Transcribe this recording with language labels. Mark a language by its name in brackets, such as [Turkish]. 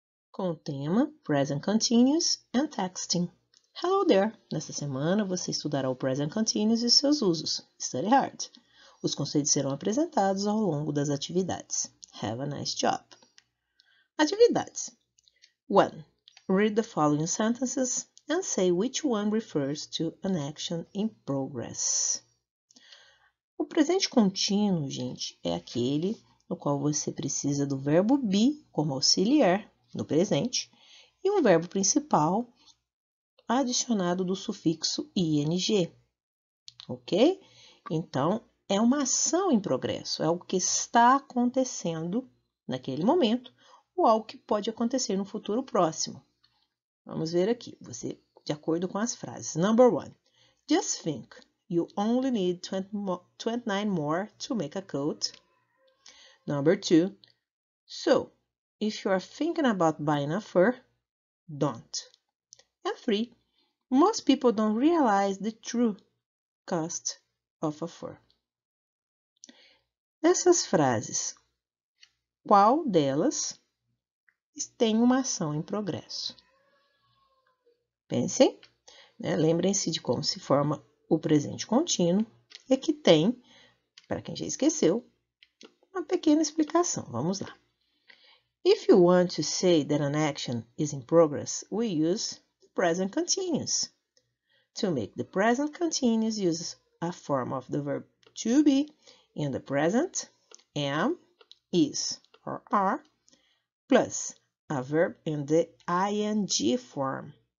[Portuguese] Com o tema Present Continuous and Texting. [English] Hello there! [Portuguese] Nesta semana você estudará o Present Continuous e seus usos. [English] Study hard! [Portuguese] Os conceitos serão apresentados ao longo das atividades. [English] Have a nice job! Atividades: 1. Read the following sentences and say which one refers to an action in progress. [Portuguese] O presente contínuo, gente, é aquele no qual você precisa do verbo be como auxiliar no presente, e um verbo principal adicionado do sufixo ing, ok? Então, é uma ação em progresso, é o que está acontecendo naquele momento ou algo que pode acontecer no futuro próximo. Vamos ver aqui, você, de acordo com as frases. [English] Number one, just think, you only need 29 more to make a coat. Number two, so, if you are thinking about buying a fur, don't. And three, most people don't realize the true cost of a fur. [Portuguese] Essas frases, qual delas tem uma ação em progresso? Pensem, né? Lembrem-se de como se forma o presente contínuo e que tem, para quem já esqueceu, uma pequena explicação. Vamos lá. [English] If you want to say that an action is in progress, we use the present continuous. To make the present continuous, use a form of the verb to be in the present, am, is, or are, plus a verb in the ing form.